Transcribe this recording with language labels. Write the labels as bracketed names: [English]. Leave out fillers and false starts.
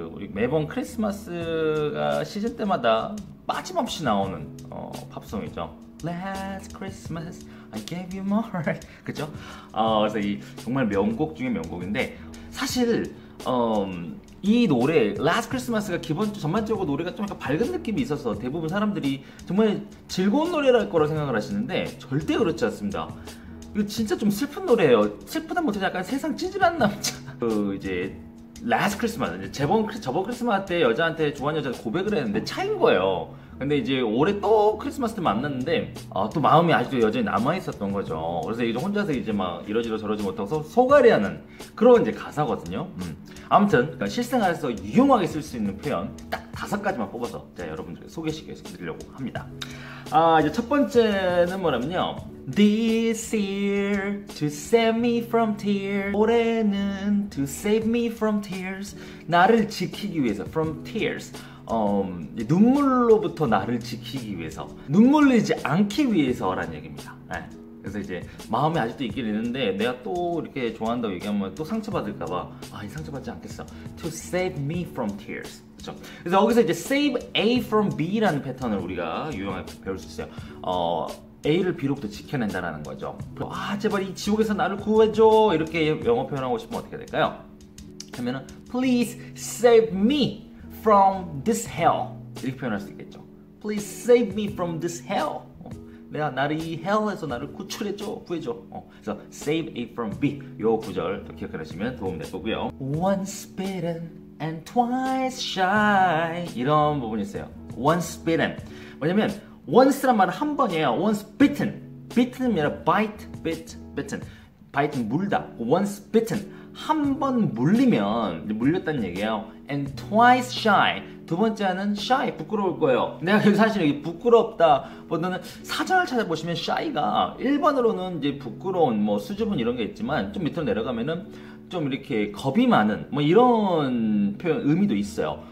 [Korean] 매번 크리스마스가 시즌 때마다 빠짐없이 나오는 팝송이죠. [English] Last Christmas, I gave you more. [Korean] 그쵸? 그래서 이 정말 명곡 중에 명곡인데, 사실, 이 노래 Last Christmas가 전반적으로 노래가 좀 약간 밝은 느낌이 있어서 대부분 사람들이 정말 즐거운 노래랄 거라 생각을 하시는데 절대 그렇지 않습니다. 이거 진짜 좀 슬픈 노래예요. 슬프다 못해 약간 세상 찌질한 남자. 이제 Last Christmas, 이제 저번 크리스마스 때 여자한테 좋아하는 여자 고백을 했는데 차인 거예요. 근데 이제 올해 또 크리스마스 때 만났는데 또 마음이 아직도 여전히 남아 있었던 거죠. 그래서 이제 혼자서 이제 막 이러지도 저러지 못하고 소가리하는 그런 이제 가사거든요. 아무튼 실생활에서 유용하게 쓸수 있는 표현 딱 다섯 가지만 뽑아서 제가 여러분들께 소개시켜드리려고 합니다. 이제 첫 번째는 뭐냐면요. [English] This year to save me from tears. [Korean] 올해는 [English] to save me from tears. [Korean] 나를 지키기 위해서 [English] from tears. [Korean] 눈물로부터 나를 지키기 위해서, 눈물리지 않기 위해서라는 얘기입니다. 네. 그래서 이제 마음이 아직도 있긴 있는데 내가 또 이렇게 좋아한다고 얘기하면 또 상처받을까 봐, 아, 이 상처받지 않겠어. [English] To save me from tears. [Korean] 그렇죠? 그래서 여기서 이제 [English] save A from B [Korean] 라는 패턴을 우리가 유용하게 배울 수 있어요. A를 비로부터 지켜낸다라는 거죠. 아, 제발 이 지옥에서 나를 구해줘. 이렇게 영어 표현하고 싶으면 어떻게 될까요? 하면은 [English] please save me from this hell. 이렇게 표현할 수 있겠죠. Please save me from this hell. [Korean] 나를 이 hell에서 나를 구출해줘, 구해줘. [English] 그래서 save A from B. [Korean] 요 구절 기억해 놓으시면 도움이 될 거고요. [English] Once bitten and twice shy. [Korean] 이런 부분이 있어요. [English] Once bitten. [Korean] 뭐냐면, once란 말은 한 번이에요. [English] Once bitten. Bitten이 [Korean] 아니라 [English] bite, bit, bitten. Bite는 [Korean] 물다. [English] Once bitten. [Korean] 한번 물리면 물렸다는 얘기예요. [English] And twice shy. [Korean] 두 번째는 shy, 부끄러울 거예요. 내가 여기 사실 여기 부끄럽다 보다는 사전을 찾아보시면 shy가 1번으로는 이제 부끄러운 뭐 수줍은 이런 게 있지만 좀 밑으로 내려가면은 좀 이렇게 겁이 많은 뭐 이런 표현 의미도 있어요.